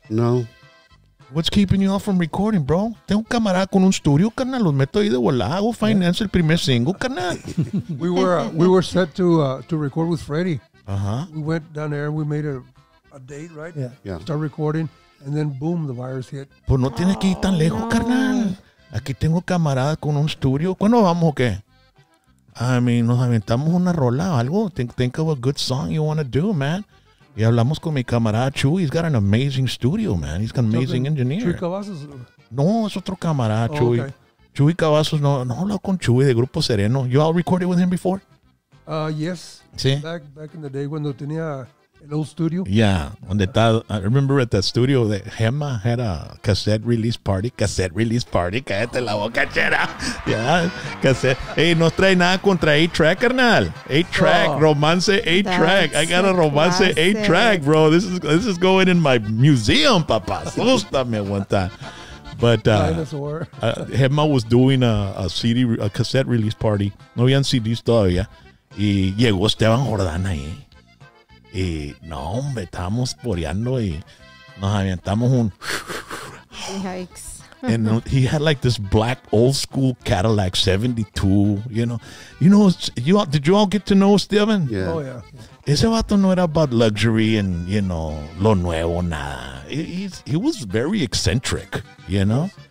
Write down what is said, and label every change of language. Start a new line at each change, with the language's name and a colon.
English: No. What's keeping you all from recording, bro?
Spanish: Tengo un camarada con un estudio, carnal. Los meto ahí de volada. Hago finance el primer single, carnal.
English: We were set to record with Freddy. Uh-huh. We went down there and we made a date, right? Yeah. Start recording. And then, boom, the virus hit.
Spanish: Pues no tiene que ir tan lejos, carnal. Aquí tengo camarada con un estudio. ¿Cuándo vamos o qué?
English: I mean,
Spanish: nos aventamos una rola o algo.
English: Think of a good song you want to do, man.
Spanish: Y hablamos con mi camarada Chuy.
English: He's got an amazing studio, man. He's got an amazing engineer. Chuy Cavazos.
Spanish: No, es otro camarada, Chuy. Okay. Chuy Cavazos, no hablo con Chuy de Grupo Sereno.
English: You all recorded with him before? Yes.
Spanish: Sí.
English: Back in the day when
Spanish: tenía el
English: old studio. Yeah. I remember at that studio that Gemma had a cassette release party. Cassette release party.
Spanish: Cállate la boca, chera.
English: Yeah. Cassette.
Spanish: Hey, no trae nada contra 8-track, carnal. 8-track.
English: Romance 8-track. I got a Romance 8-track, bro. This is going in my museum, papa. Sústame one time. But Gemma was doing a cassette release party.
Spanish: No habían CDs todavía. Y llegó Esteban Jordán ahí. Y no, hombre, estábamos poreando y nos aventamos un...
English: Yikes. And he had like this black old school Cadillac 72, did you all get to know Steven? Yeah. Oh, yeah.
Spanish: Ese vato no era
English: about luxury and, you know,
Spanish: lo nuevo, nada.
English: He was very eccentric, you know?